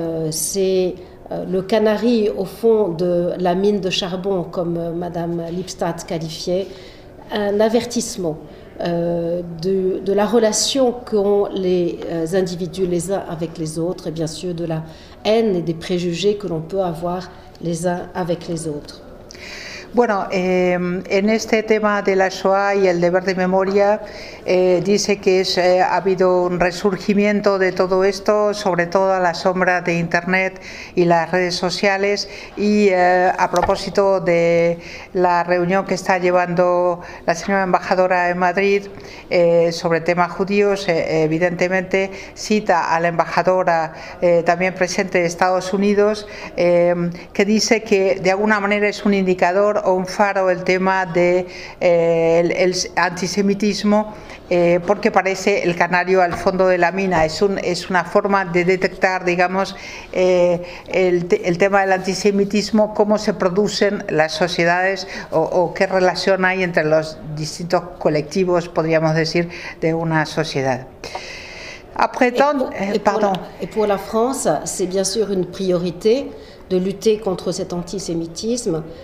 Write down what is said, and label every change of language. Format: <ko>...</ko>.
<fr>C'est le canari au fond de la mine de charbon, comme Madame Lipstadt qualifiait. Un avertissement de la relation qu'ont les individus les uns avec les autres et bien sûr de la haine et des préjugés que l'on peut avoir les uns avec les autres.</fr> <es>Bueno, en este tema de la Shoah y el deber de memoria, dice que ha habido un resurgimiento de todo esto, sobre todo a la sombra de Internet y las redes sociales, y a propósito de la reunión que está llevando la señora embajadora en Madrid sobre temas judíos, evidentemente cita a la embajadora también presente de Estados Unidos, que dice que de alguna manera es un indicador o un faro el tema de el antisemitismo, porque parece el canario al fondo de la mina. Es una forma de detectar, digamos, el tema del antisemitismo, cómo se producen las sociedades o qué relación hay entre los distintos colectivos, podríamos decir, de una sociedad.</es> <fr>Après tant, pardon. Et pour la France, c'est bien sûr une priorité de lutter contre cet antisémitisme.</fr>